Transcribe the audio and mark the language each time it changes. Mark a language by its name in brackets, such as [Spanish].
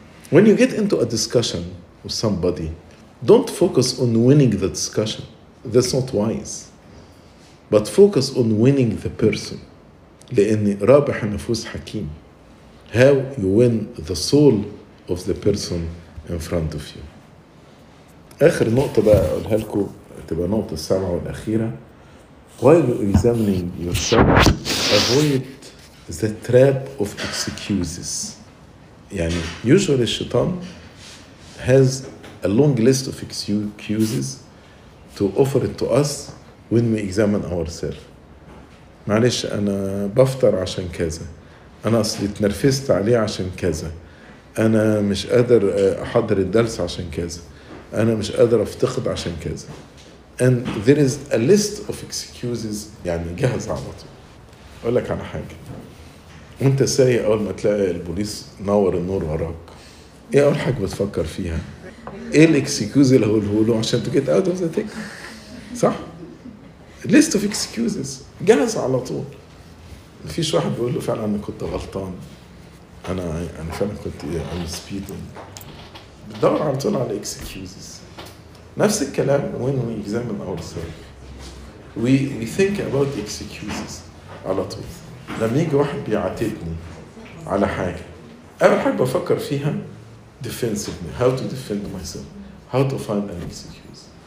[English] When you get into a discussion with somebody, don't focus on winning the discussion. That's not wise. But focus on winning the person. [Arabic] لأن رابح نفوس حكيم. [English] How you win the soul of the person in front of you. [Arabic] آخر نقطة بقى أقولها لكم, تبقى نقطة السابعة والأخيرة. [English] While you're examining yourself, avoid the trap of excuses. [Arabic] يعني [English] usually [Arabic] الشيطان [English] has a long list of excuses to offer it to us when we examine ourselves. [Arabic] معلش أنا بفطر عشان كذا, أنا أصلي اتنرفزت عليه عشان كذا, أنا مش قادر أحضر الدرس عشان كذا, أنا مش قادر أفتقد عشان كذا. [English] And there is a list of excuses, [Arabic] يعني جهز على طول. أقول لك على حاجة, وأنت سايق أول ما تلاقي البوليس نور النور وراك, إيه أول حاجة بتفكر فيها؟ إيه الإكسكيوز اللي هقوله له عشان [English] to get out of the ticket؟ [Arabic] صح؟ [English] list of excuses, [Arabic] جهز على طول. مفيش واحد بيقول له فعلا انا كنت غلطان, انا فعلا كنت عم سبيدنج. بتدور على طول على excuses. نفس الكلام [English] when we examine ourselves, we think about excuses [Arabic] على طول. لما يجي واحد بيعاتبني على حاجه, اول حاجه بفكر فيها [English] defensively, how to defend myself, how to find an excuse.